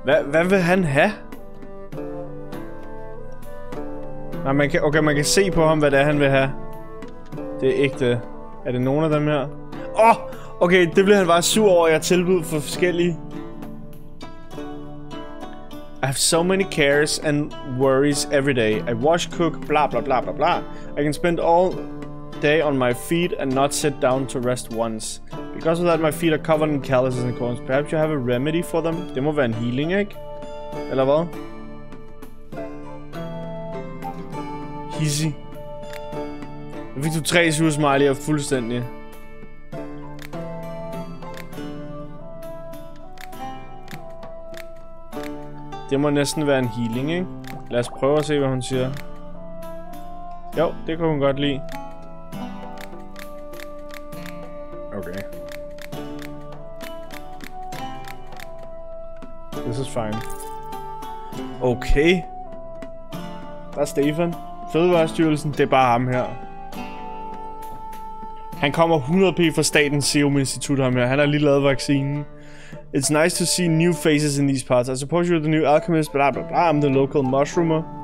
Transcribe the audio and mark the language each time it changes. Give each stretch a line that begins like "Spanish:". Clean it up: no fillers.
Danish: Hvad vil han have? Nej, man kan se på ham, hvad det er, han vil have. Det er ikke det. Er det nogen af dem her? Okay, det blev han bare sur over, at jeg tilbød for forskellige.
English: I have so many cares and worries every day. I wash, cook, bla bla bla bla bla. I can spend all day on my feet and not sit down to rest once. Because of that, my feet are covered in calluses and corns. Perhaps you have a remedy for them?
Danish: Det må være en healing, ikke? Eller hvad? Hizzy. Nu fik du 3 sure smiley'er fuldstændig. Det må næsten være en healing, ikke? Lad os prøve at se, hvad hun siger. Jo, det kunne hun godt lide. Okay.
English: This is fine. Okay.
Danish: Der er Stefan. Fødevarestyrelsen, det er bare ham her. Han kommer 100% fra Statens Serum Institut, ham her. Han har lige lavet vaccinen.
English: It's nice to see new faces in these parts. I suppose you're the new alchemist, blah blah blah, I'm the local mushroomer.